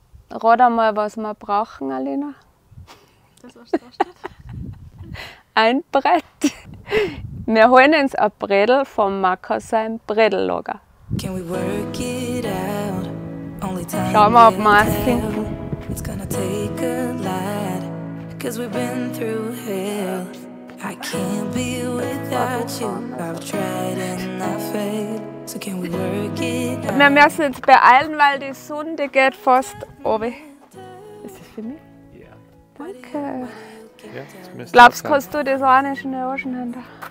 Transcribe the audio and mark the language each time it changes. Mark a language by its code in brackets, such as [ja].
[de] Rat einmal, was wir brauchen, Alina. Das, was da steht. Ein Brett. Wir holen uns ein Brettl vom Marco sein Brettl-Lager. [en] Can we work it out? Only time. [de] Schauen wir, ob wir es finden. [en] It's gonna take a lot. Cause we've been through hell. I can't be without you. I've tried and I failed. So can we work it out? [de] Wir müssen uns beeilen, weil die Sonne geht fast oben. Ist das für mich? Ja. Danke. Ja, glaubst du, kannst du das eine schnell auseinander?